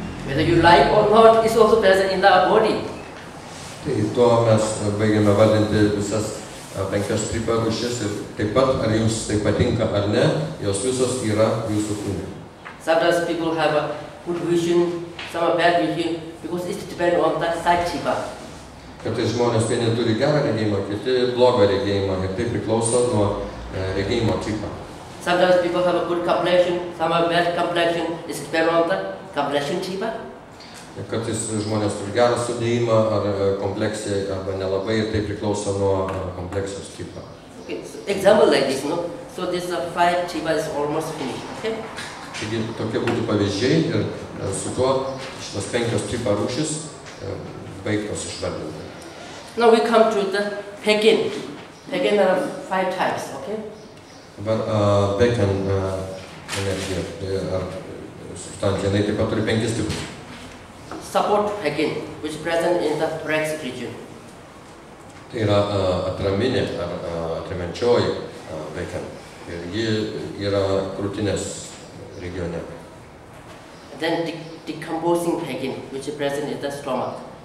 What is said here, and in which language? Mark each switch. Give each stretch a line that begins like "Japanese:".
English: Whether you like or not, it's also present in the body.
Lithuanian: Tai to mes baigiame vardinti visas penkias tripa rūšis ir taip pat, ar jums tai patinka ar ne, jos visos yra jūsų kūne.
English: Sometimes people have a good vision, some are bad vision, because it depends on that side tripa.
Lithuanian: Kartais žmonės vieni turi gerą regėjimą, kiti blogą regėjimą, ir tai priklauso nuo regėjimo tripa.
English: Sometimes people have a good complexion, some are bad complexion, it depends on the complexion tripa.
Lithuanian: Kartais žmonės turi gerą sudėjimą ar kompleksiją, arba nelabai, ir tai priklauso nuo kompleksijos tripa.
English: Okay, so example like this, no? So this five tripa is almost finished, okay?
Lithuanian: Taigi tokie būtų pavyzdžiai ir su tuo šitas penkios tripa rūšis baigtos išvardinti.
English: Now we come to the Pekin. Pekin are five types, okay?
Lithuanian: Dabar Pekin energija ar substancija, jinai taip pat turi penkis tipus.
English: Support Pekin, which is present in the thorax region.
Lithuanian: Tai yra atraminė ar atremenčioji Pekin. Ir ji yra krūtinės regione.
English: Then decomposing pekin, which is present in the stomach.